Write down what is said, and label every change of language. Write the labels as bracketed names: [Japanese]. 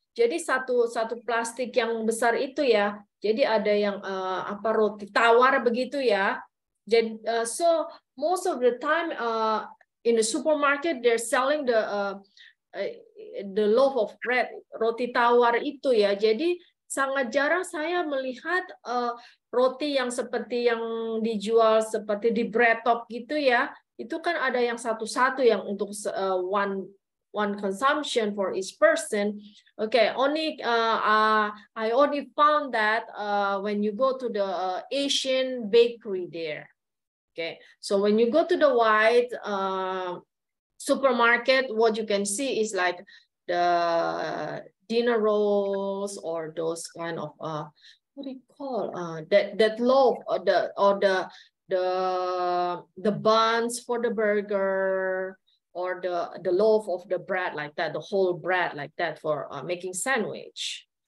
[Indonesian] Jadi satu plastik yang besar itu ya, jadi ada yang roti tawar begitu ya. [English] Jadi so most of the time in the supermarket they're selling the loaf of bread, [Indonesian] roti tawar itu ya. Jadi sangat jarang saya melihat roti yang seperti yang dijual seperti di bread top gitu ya. Itu kan ada yang satu-satu yang untuk [English] one consumption for each person. Okay, I only found that when you go to the Asian bakery there. Okay, so when you go to the white supermarket, what you can see is like the dinner rolls or those kind of what do you call that loaf or the buns for the burger or the loaf of the bread like that, the whole bread like that for making sandwich.